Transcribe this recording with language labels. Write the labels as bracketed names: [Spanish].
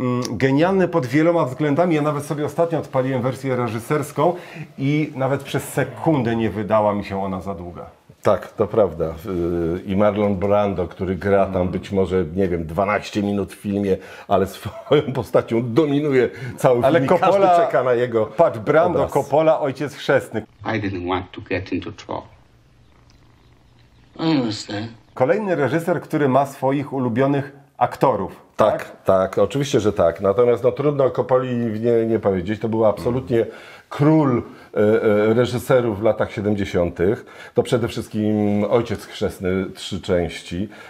[Polish] Genialny pod wieloma względami. Ja nawet sobie ostatnio odpaliłem wersję reżyserską i nawet przez sekundę nie wydała mi się ona za długa. Tak, to prawda. I Marlon Brando, który gra tam być może, nie wiem, 12 minut w filmie, ale swoją postacią dominuje cały film. Ale Coppola, każdy czeka na jego patrz, Brando, obraz. Coppola, ojciec chrzestny. [English] I didn't want to get into trouble. I was there. [Polish] Kolejny reżyser, który ma swoich ulubionych aktorów. Tak, tak, oczywiście, że tak. Natomiast no, trudno Coppoli nie powiedzieć. To był absolutnie król reżyserów w latach 70. To przede wszystkim Ojciec Chrzestny, trzy części.